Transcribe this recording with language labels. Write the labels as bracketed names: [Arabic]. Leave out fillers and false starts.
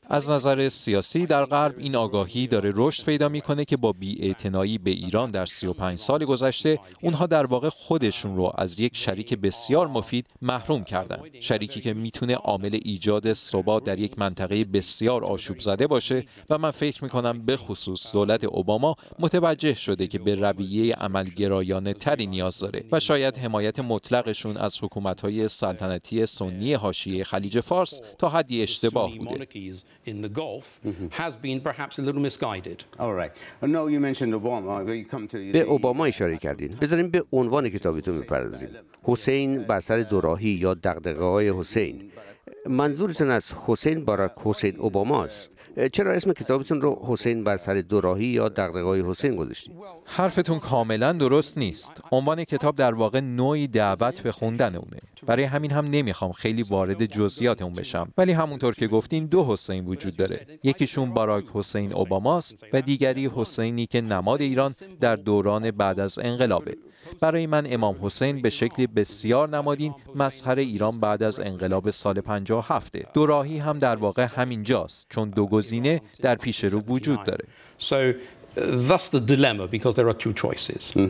[Persian] از نظر سیاسی در غرب این آگاهی داره رشد پیدا میکنه که با بی‌اعتنایی به ایران در 35 سال گذشته اونها در واقع خودشون رو از یک شریک بسیار مفید محروم کردن، شریکی که میتونه عامل ایجاد ثبات در یک منطقه بسیار آشوب زده باشه. و من فکر میکنم به خصوص دولت اوباما متوجه شده که به رویه عملگرایانه تری نیاز داره و شاید حمایت مطلقشون از حکومت های سلطنتی سنی حاشیه خلیج فارس تا حدی اشتباه بوده. [English] In the Gulf has been perhaps a little misguided. All right. No, you mentioned Obama. Will you come to [Persian] به اوباما اشاره کردین. بذاریم به عنوان کتابتون بپردازیم. حسین بر سر دوراهی یا دغدغه‌های حسین. منظورتون از حسین باراک حسین اوباما است. چرا اسم کتابتون رو حسین بر سر دوراهی یا دغدغه‌های حسین گذاشتید؟ حرفتون کاملا درست نیست. عنوان کتاب در واقع نوعی دعوت به خوندن اونه. برای همین هم نمیخوام خیلی وارد جزئیات اون بشم. ولی همونطور که گفتین دو حسین وجود داره. یکیشون باراک حسین اوباماست و دیگری حسینی که نماد ایران در دوران بعد از انقلابه. برای من امام حسین به شکلی بسیار نمادین مظهر ایران بعد از انقلاب سال 57. دوراهی هم در واقع همین جاست، چون دو گزینه در پیش رو وجود داره. [English] So thus the dilemma because there are two choices.